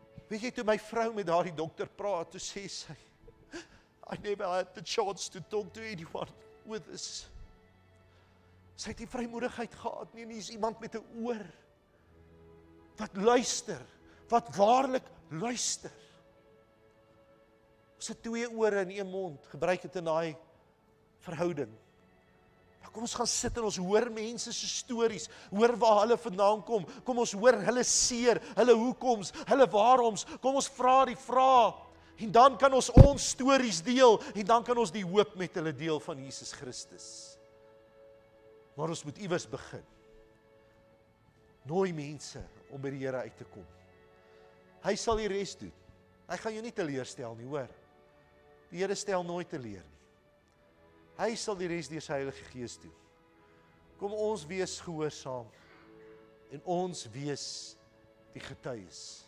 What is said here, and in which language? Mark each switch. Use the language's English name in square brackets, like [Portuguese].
[Afrikaans] Weet jy, toe my vrou met daardie dokter praat, toe sê sy, [English] I never had the chance to talk to anyone with this. [Afrikaans] Sy het die vrymoedigheid gehad, nie, nie is iemand met 'n oor, wat luister, wat waarlik luister. Ons het twee ore en een mond, gebruik dit in daai verhouding. Maar kom ons gaan sit en ons hoor mense se stories, hoor waar hulle vandaan kom, kom ons hoor hulle seer, hulle hoekoms, hulle waaroms, kom ons vra die vrae, en dan kan ons stories deel, en dan kan ons die hoop met hulle deel van Jesus Christus. Maar ons moet iewers begin. Nooi mense om by die Here uit te kom. Hy sal die res doen. Hy gaan jou nie teleerstel nie, hoor. Die Here stel nooit teleur nie. Hy sal die res deur sy Heilige Gees doen. Kom ons wees gehoorsaam en ons wees die getuies.